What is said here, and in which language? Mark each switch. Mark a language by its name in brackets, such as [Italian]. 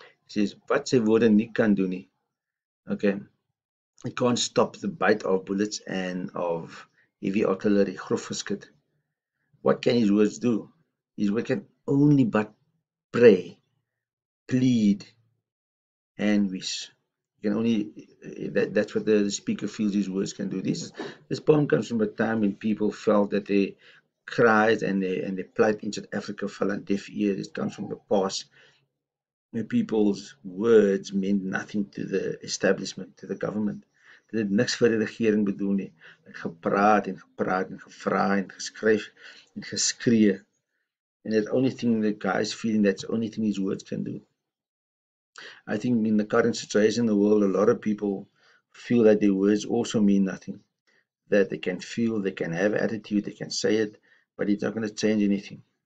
[English] He says, [Afrikaans] wat sy woorde nie kan doen nie. [English] Okay. It can't stop the bite of bullets and of heavy artillery, grof geskut. What can his words do? His words can only but pray, plead, and wish. You can only that's what the speaker feels his words can do. This poem comes from a time when people felt that they cried and their plight in South Africa fell on deaf ears. It comes from the past when people's words meant nothing to the establishment, to the government. [Afrikaans] Dit het niks vir die regering bedoel nie. Het gepraat en gepraat en gevra en geskryf en geskree. [English] And the only thing the guy's feeling, that's the only thing his words can do. I think in the current situation in the world, a lot of people feel that their words also mean nothing. That they can feel, they can have attitude, they can say it, but it's not going to change anything.